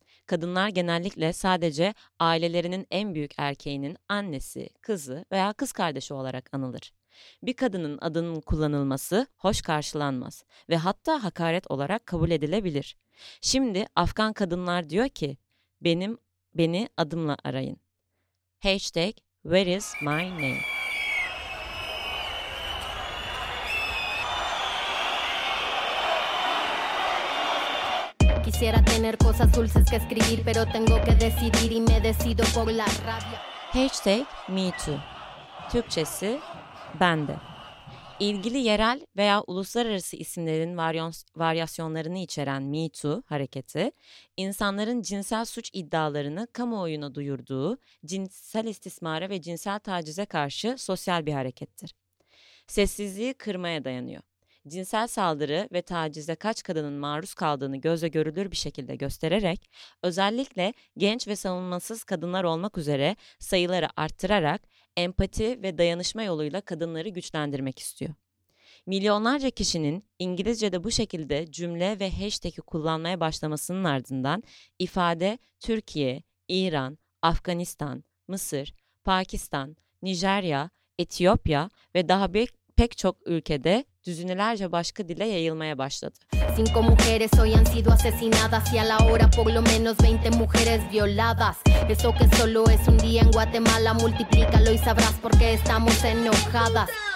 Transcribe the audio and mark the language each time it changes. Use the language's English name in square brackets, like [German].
[Turkish] Kadınlar genellikle sadece ailelerinin en büyük erkeğinin annesi, kızı veya kız kardeşi olarak anılır. Bir kadının adının kullanılması hoş karşılanmaz ve hatta hakaret olarak kabul edilebilir. Şimdi Afgan kadınlar diyor ki, beni adımla arayın. [English] Hashtag where is my name? [Spanish] Quisiera tener cosas dulces que escribir, pero tengo que decidir y me decido por la rabia. [English] Hashtag me too. [Turkish] Türkçesi ben de. İlgili yerel veya uluslararası isimlerin varyasyonlarını içeren Me Too hareketi, insanların cinsel suç iddialarını kamuoyuna duyurduğu cinsel istismara ve cinsel tacize karşı sosyal bir harekettir. Sessizliği kırmaya dayanıyor. Cinsel saldırı ve tacize kaç kadının maruz kaldığını göze görülür bir şekilde göstererek, özellikle genç ve savunmasız kadınlar olmak üzere sayıları arttırarak, empati ve dayanışma yoluyla kadınları güçlendirmek istiyor. Milyonlarca kişinin İngilizce'de bu şekilde cümle ve hashtag'i kullanmaya başlamasının ardından ifade Türkiye, İran, Afganistan, Mısır, Pakistan, Nijerya, Etiyopya ve daha pek çok ülkede düzinelerce başka dile yayılmaya başladı. [Spanish] Cinco mujeres hoy han sido asesinadas y a la hora por lo menos 20 mujeres violadas. Eso que solo es un día en Guatemala, multiplícalo y sabrás por qué estamos enojadas.